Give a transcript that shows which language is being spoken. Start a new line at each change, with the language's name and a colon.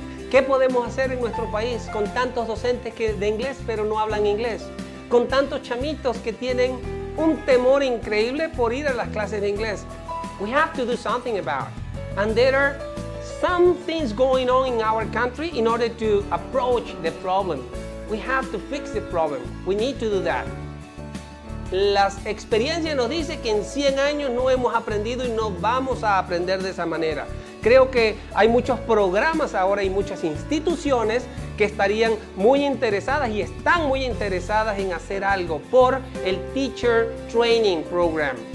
Spanish: ¿Qué podemos hacer en nuestro país con tantos docentes que de inglés pero no hablan inglés? Con tantos chamitos que tienen un temor increíble por ir a las clases de inglés.
English: We have to do something about it. And there are some things going on in our country in order to approach the problem. We have to fix the problem. We need to do that.
Spanish: La experiencia nos dice que en 100 años no hemos aprendido y no vamos a aprender de esa manera. Creo que hay muchos programas ahora y muchas instituciones que estarían muy interesadas y están muy interesadas en hacer algo por el Teacher Training Program.